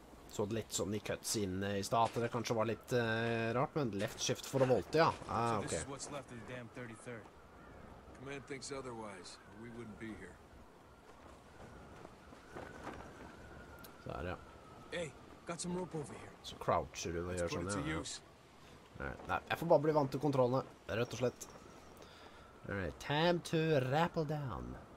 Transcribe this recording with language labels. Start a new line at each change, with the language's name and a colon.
Norwegian: Så det litt sånn i cuts inn i staten, det kanskje var litt rart, men left shift for å volte, ja. Ah, ok.
English: So this is what's left of the damn 33rd. Command thinks otherwise, we wouldn't be here.
Norwegian: Så her, ja.
English: Hey, got some rope over here.
Norwegian: Så croucher du og gjør sånn,
English: ja. Let's put it to use.
Norwegian: Nei, jeg får bare bli vant til kontrollene, rett og slett.
English: Alright, time to rappel down.